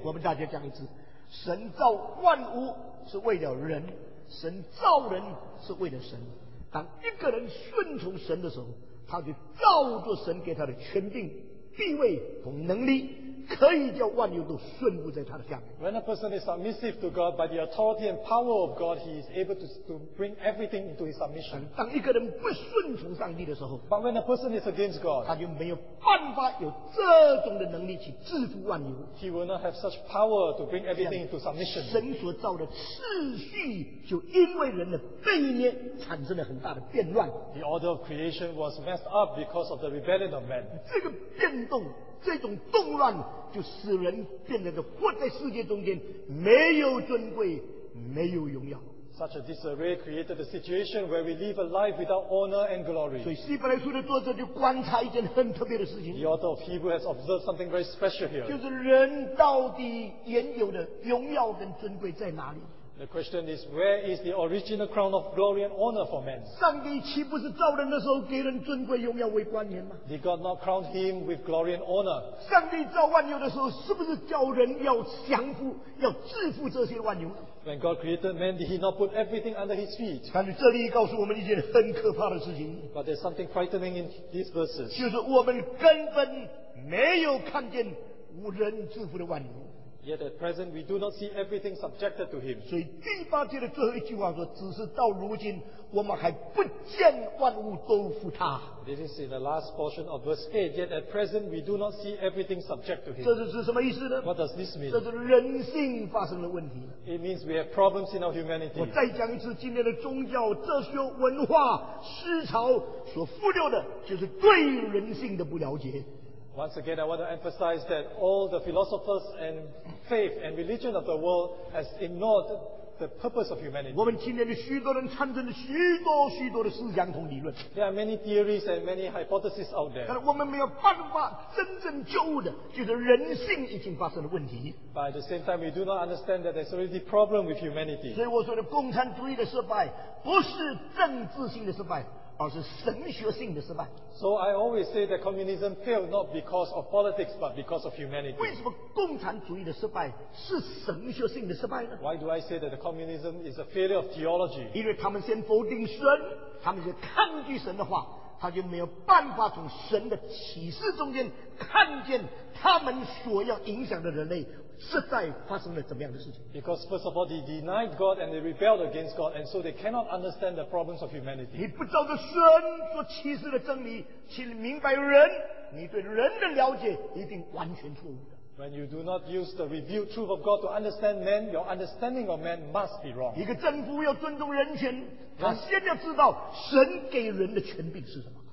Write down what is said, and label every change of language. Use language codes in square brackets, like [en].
[zh] 我们大家讲一次，神造万物是为了人，神造人是为了神。当一个人顺从神的时候，他就造作神给他的权柄、地位和能力，可以叫万有都顺服在他的下面。 [en] When a person is submissive to God by the authority and power of God, he is able to bring everything into his submission. [zh] 当一个人不顺从上帝的时候， [en] but when a person is against God, [zh] 他就没有办法有这种的能力去制服万有。 [en] He will not have such power to bring everything into submission. [zh] 神所造的次序就因为人的背逆产生了很大的变乱。 [en] The order of creation was messed up because of the rebellion of man. [zh] 这个变动。这种动乱就使人变得活在世界中间，没有尊贵，没有荣耀。 [en] Such a disarray created a situation where we live a life without honor and glory. [zh] 所以希伯来书的作者就观察一件很特别的事情。 [en] The author of Hebrews has observed something very special here. [zh] 就是人到底原有的荣耀跟尊贵在哪里？ [en] The question is, where is the original crown of glory and honor for man? [zh] 上帝岂不是造人的时候给人尊贵、荣耀为冠冕吗？ [en] Did God not crown him with glory and honor? [zh] 上帝造万有的时候，是不是叫人要降服、要制服这些万有？ [en] When God created man, did he not put everything under his feet? [zh] 但是这里告诉我们一件很可怕的事情。 [en] But there's something frightening in these verses. [zh] 就是我们根本没有看见无人制服的万有。 [en] Yet at present, we do not see everything subjected to him. [zh] 所以第八节的最后一句话说，只是到如今，我们还不见万物都服他。 [en] This is in the last portion of verse 8. Yet at present, we do not see everything subject to him. [zh] 这是什么意思呢？ [en] What does this mean? [zh] 这是人性发生了问题。 [en] It means we have problems in our humanity. [zh] 我再讲一次，今天的宗教、哲学、文化、思潮所附留的，就是对人性的不了解。 [en] Once again, I want to emphasize that all the philosophers and faith and religion of the world has ignored the purpose of humanity. [zh] 我们今天的许多人产生了许多许多的思想和理论。 [en] There are many theories and many hypotheses out there. [zh] 但是我们没有办法真正救的，就是人性已经发生了问题。 [en] But at the same time, we do not understand that there's already a problem with humanity. [zh] 所以我说的共产主义的失败，不是政治性的失败。而是神学性的失败。 [en] So I always say that communism failed not because of politics, but because of humanity. [zh] 为什么共产主义的失败是神学性的失败呢？ [en] Why do I say that the communism is a failure of theology? [zh] 因为他们先否定神，他们就抗拒神的话，他就没有办法从神的启示中间看见他们所要影响的人类实在发生了怎么样的事情。 [en] Because first of all, they denied God and they rebelled against God, and so they cannot understand the problems of humanity. [zh] 你不照着神所启示的真理去明白人，你对人的了解一定完全错误的。 [en] When you do not use the revealed truth of God to understand man, your understanding of man must be wrong. [zh] 一个政府要尊重人权，他先要知道神给人的权柄是什么。